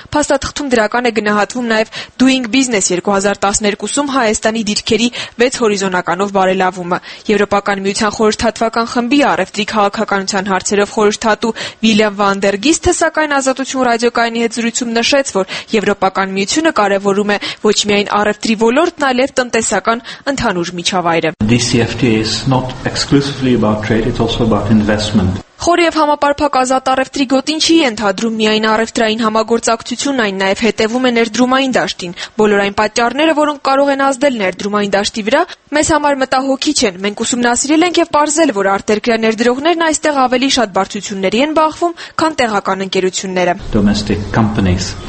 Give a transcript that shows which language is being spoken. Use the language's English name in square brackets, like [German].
[Armenian] Փաստաթղթում դրական է գնահատվում նաև Doing Business 2012-ում Հայաստանի դիրքերի 6 հորիզոնականով բարելավումը։ Եվրոպական միության խորհրդատվական խմբի առևտրի քաղաքականության հարցերով խորհրդատու Վիլյամ վան դեր Գիստը, սակայն Ազատություն ռադիոկայանի հետ զրույցում նշեց, որ Եվրոպական միությունը կարևորում է ոչ միայն առևտրի ոլորտն, այլև տնտեսական ընդհանուր միջավայրը։ [English] Exclusively about trade, it's also about investment. [Armenian] Խորը և համապարփակ ազատ առևտրի գոտին չի ենթադրում միայն առևտրային համագործակցությունն, այն նաև հետևում է ներդրումային դաշտին։ Բոլոր այն պատճառները, որոնք կարող են ազդել ներդրումային դաշտի վրա, մեզ համար մտահոգիչ են։ Մենք ուսումնասիրել ենք և պարզել, որ արտերկրյա ներդրողներն այստեղ ավելի շատ բարձությունների են բախվում, քան տեղական ընկերությունները։